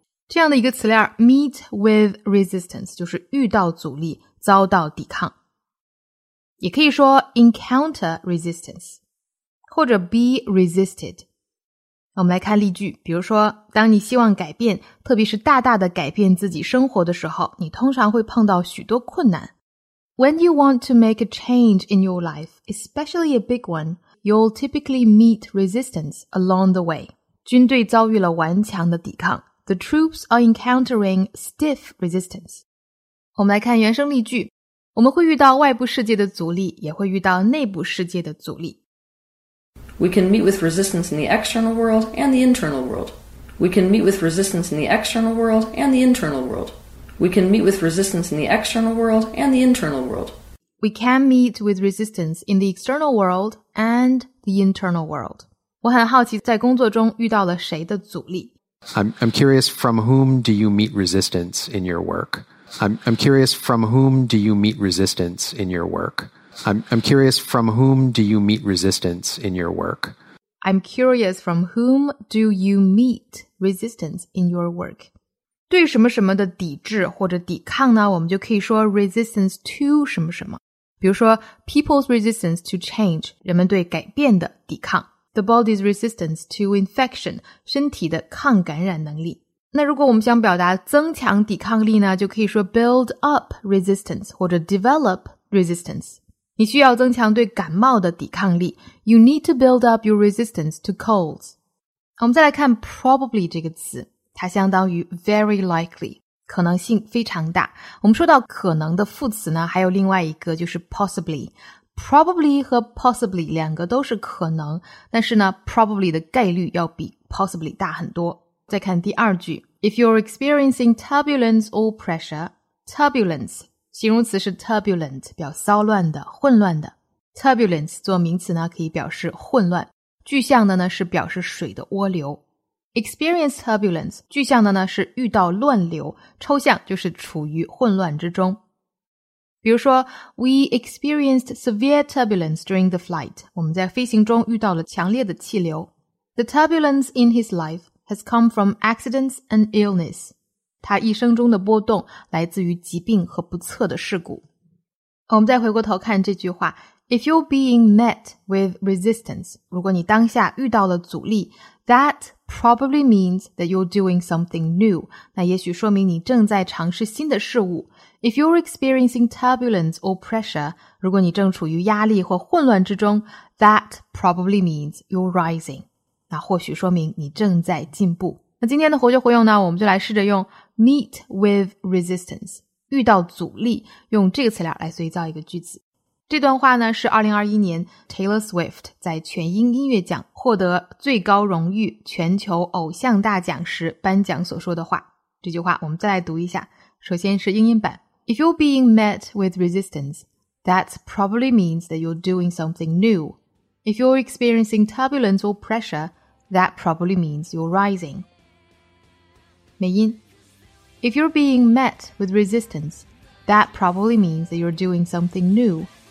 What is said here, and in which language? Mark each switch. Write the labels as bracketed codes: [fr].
[zh] 这样的一个词链 [en] meet with resistance [zh] 就是遇到阻力，遭到抵抗。也可以说 [en] encounter resistance [zh] 或者 [en] be resisted。 [zh] 我们来看例句，比如说当你希望改变，特别是大大的改变自己生活的时候，你通常会碰到许多困难。 [en] When you want to make a change in your life, especially a big one, you'll typically meet resistance along the way. [zh] 军队遭遇了顽强的抵抗。 [en] The troops are encountering stiff resistance. [zh] 我们来看原声例句。我们会遇到外部世界的阻力，也会遇到内部世界的阻力。 [en] We can meet with resistance in the external world and the internal world. We can meet with resistance in the external world and the internal world. We can meet with resistance in the external world and the internal world. We can meet with resistance in the external world and the internal world. [zh] 我很好奇在工作中遇到了谁的阻力。 [en] I'm curious, from whom do you meet resistance in your work? I'm curious, from whom do you meet resistance in your work? I'm curious, from whom do you meet resistance in your work? I'm curious, from whom do you meet resistance in your work? [zh] 对什么什么的抵制或者抵抗呢，我们就可以说 resistance to 什么什么。比如说 [en] people's resistance to change, [zh] 人们对改变的抵抗。 [en] The body's resistance to infection, [zh] 身体的抗感染能力。那如果我们想表达增强抵抗力呢，就可以说 [en] build up resistance [zh] 或者 [en] develop resistance。 [zh] 你需要增强对感冒的抵抗力。 [en] You need to build up your resistance to colds。 [zh] 我们再来看 probably 这个词。它相当于 [en] very likely, [zh] 可能性非常大。我们说到可能的副词呢，还有另外一个就是 possibly。 probably 和 possibly 两个都是可能，但是呢 probably 的概率要比 possibly 大很多。再看第二句 , [en] if you're experiencing turbulence or pressure, turbulence, [zh] 形容词是 turbulent, 表骚乱的、混乱的。 turbulence 做名词呢可以表示混乱。具象的呢是表示水的涡流。 [en] Experience turbulence, [zh] 具象的呢是遇到乱流，抽象就是处于混乱之中。比如说 , [en] we experienced severe turbulence during the flight, [zh] 我们在飞行中遇到了强烈的气流。 [en] The turbulence in his life has come from accidents and illness. [zh] 他一生中的波动来自于疾病和不测的事故。我们再回过头看这句话 , [en] if you're being met with resistance, [zh] 如果你当下遇到了阻力 , [en] that,probably means that you're doing something new. [zh] 那也许说明你正在尝试新的事物。 [en] If you're experiencing turbulence or pressure, [zh] 如果你正处于压力或混乱之中, [en] that probably means you're rising. [zh] 那或许说明你正在进步。那今天的活学活用呢，我们就来试着用 [en] meet with resistance, [zh] 遇到阻力，用这个词料来随造一个句子。这段话呢是2021年 Taylor Swift 在全英音乐奖获得最高荣誉全球偶像大奖时颁奖所说的话。这句话我们再来读一下。首先是英音版。 [en] If you're being met with resistance, that probably means that you're doing something new. If you're experiencing turbulence or pressure, that probably means you're rising. [zh] 美音。 [en] If you're being met with resistance, that probably means that you're doing something new.